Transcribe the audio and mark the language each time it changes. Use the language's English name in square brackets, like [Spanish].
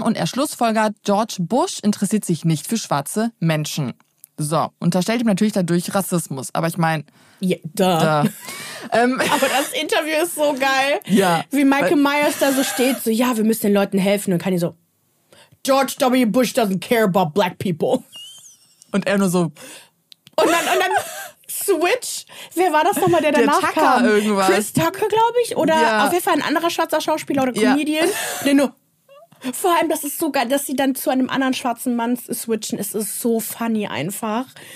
[German] Und er schlussfolgert, George Bush interessiert sich nicht für schwarze Menschen. So, unterstellt ihm natürlich dadurch Rassismus. Aber ich meine... Yeah, aber das Interview ist so geil. Ja. Wie Michael Myers da so steht, so, ja, wir müssen den Leuten helfen. Und Kanye so, George W. [English] Bush doesn't care about black people. [German] Und er nur so... Und dann Switch. Wer war das nochmal, der danach kam? Der Tucker kam? Irgendwas. Chris Tucker, glaube ich. Oder auf jeden Fall ein anderer schwarzer Schauspieler oder Comedian. Nee, nur. Vor allem, das ist so geil, dass sie dann zu einem anderen schwarzen Mann switchen. Es ist so funny einfach.